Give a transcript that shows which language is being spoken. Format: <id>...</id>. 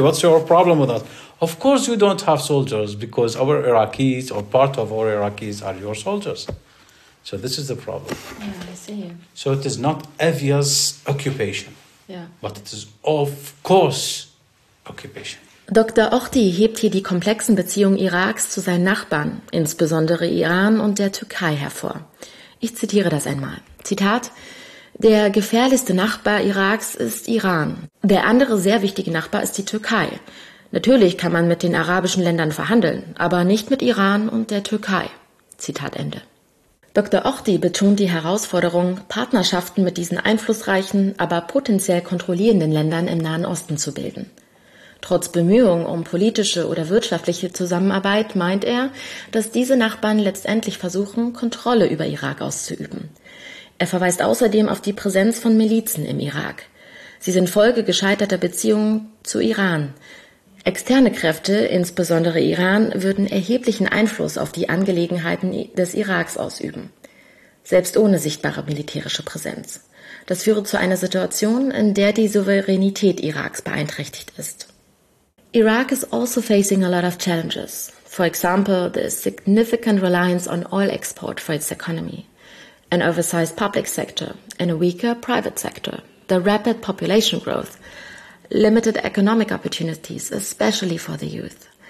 <en>What's your problem with us? Of course you don't have soldiers, because our Iraqis, or part of our Iraqis, are your soldiers. So this is the problem. Yeah, I see. So it is not obvious occupation. Yeah. But it is of course occupation. Dr.</en> <de>Ochti hebt hier die komplexen Beziehungen Iraks zu seinen Nachbarn, insbesondere Iran und der Türkei, hervor. Ich zitiere das einmal. Zitat: Der gefährlichste Nachbar Iraks ist Iran. Der andere sehr wichtige Nachbar ist die Türkei. Natürlich kann man mit den arabischen Ländern verhandeln, aber nicht mit Iran und der Türkei. Zitat Ende. Dr. Ochti betont die Herausforderung, Partnerschaften mit diesen einflussreichen, aber potenziell kontrollierenden Ländern im Nahen Osten zu bilden. Trotz Bemühungen um politische oder wirtschaftliche Zusammenarbeit meint er, dass diese Nachbarn letztendlich versuchen, Kontrolle über Irak auszuüben. Er verweist außerdem auf die Präsenz von Milizen im Irak. Sie sind Folge gescheiterter Beziehungen zu Iran. Externe Kräfte, insbesondere Iran, würden erheblichen Einfluss auf die Angelegenheiten des Iraks ausüben. Selbst ohne sichtbare militärische Präsenz. Das führe zu einer Situation, in der die Souveränität Iraks beeinträchtigt ist.</de> <en>Iraq is also facing a lot of challenges. For example, the significant reliance on oil export for its economy, an oversized public sector and a weaker private sector, the rapid population growth, limited economic opportunities, especially for the youth.</en>